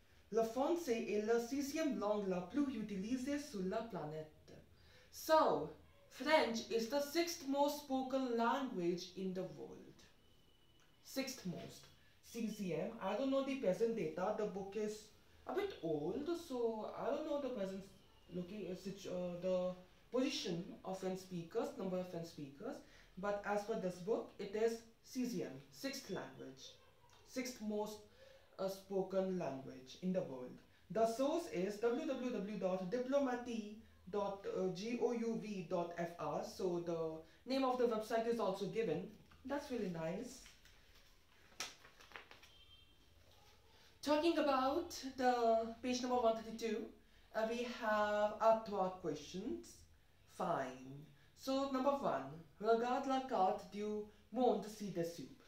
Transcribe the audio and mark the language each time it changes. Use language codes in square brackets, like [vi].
[fr] Le français est la sixième langue la plus utilisée sur la planète. [en] So, French is the sixth most spoken language in the world. Sixth most. [fr] Sixième. [en] I don't know the present data. The book is a bit old, so I don't know the present the position of French speakers, number of French speakers, but as for this book, it is CZM, sixth language, sixth most spoken language in the world. The source is www.diplomatie.gov.fr, so the name of the website is also given. That's really nice. Talking about the page number 132, we have our 12 questions. Fine. So, number one, [fr] regarde la carte du monde ci-dessus.